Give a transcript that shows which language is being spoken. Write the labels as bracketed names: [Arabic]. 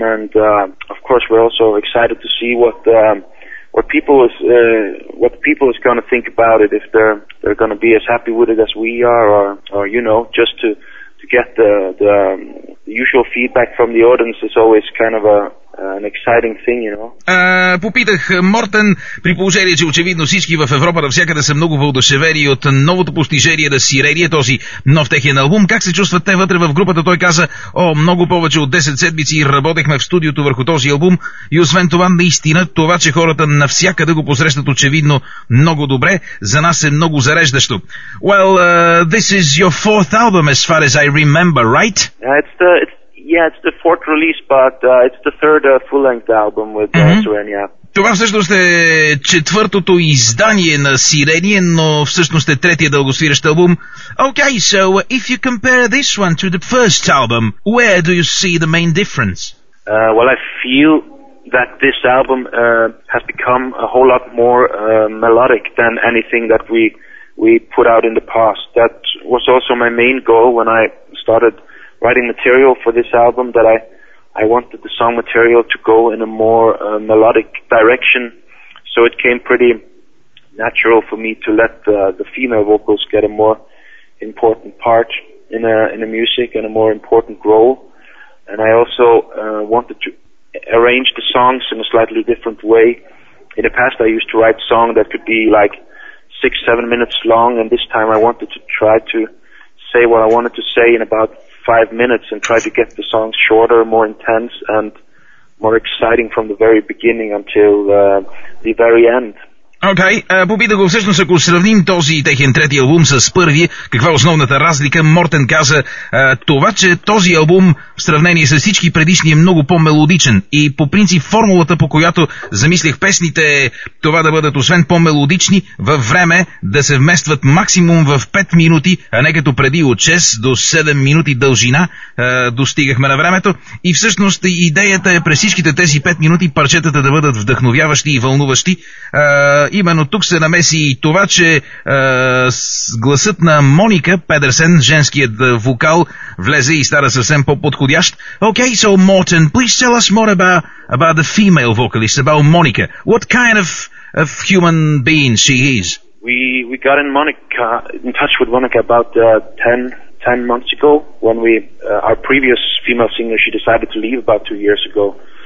[English] And of course, we're also excited to see what people is going to think about it. If they're going to be as happy with it as we are, or you know, just to get the usual feedback from the audience is always kind of an exciting thing, you know. [Bulgarian] Попитах Мортен, при положение, че очевидно всички в Европа навсякъде са много въодушевени от новото постижение на C-Radio, този нов техен албум. Как се чувстват те вътре в групата? Той каза, о, много повече от 10 седмици работехме в студиото върху този албум. И освен това, наистина, това, че хората навсякъде го посрещат очевидно много добре, за нас е много зареждащо. [English] Well, this is your fourth album, as far as I remember, right? Yeah, it's the fourth release, but it's the third full-length album with Serenia. Това всъщност е четвъртото издание на C-Radio, но всъщност е третия дългосвиращ албум. Okay, so if you compare this one to the first album, where do you see the main difference? Well, I feel that this album has become a whole lot more melodic than anything that we put out in the past. That was also my main goal when I started writing material for this album, that I wanted the song material to go in a more melodic direction, so it came pretty natural for me to let the female vocals get a more important part in the music and a more important role. And I also wanted to arrange the songs in a slightly different way. In the past I used to write song that could be like 6-7 minutes long, and this time I wanted to try to say what I wanted to say in about 5 minutes and try to get the songs shorter, more intense, and more exciting from the very beginning until the very end. [Bulgarian] Okay, попитах го всъщност, ако сравним този техен трети албум с първи, каква е основната разлика? Мортен каза, това, че този албум в сравнение с всички предишни е много по-мелодичен. И по принцип формулата, по която замислих песните, е това да бъдат освен по-мелодични, във време да се вместват максимум в 5 минути, а не като преди от 6 до 7 минути дължина достигахме на времето. И всъщност идеята е през всичките тези 5 минути парчетата да бъдат вдъхновяващи и вълнуващи. Именно тук се намеси и това, че гласът на Моника Педерсен, женският вокал, влезе и стара съвсем по-подходящ. [English] Okay, so Morten, please tell us more about the female vocalist, about Monica. What kind of human being she is? We got in touch with Monica about 10 months ago, when we our previous female singer, she decided to leave about 2 years ago.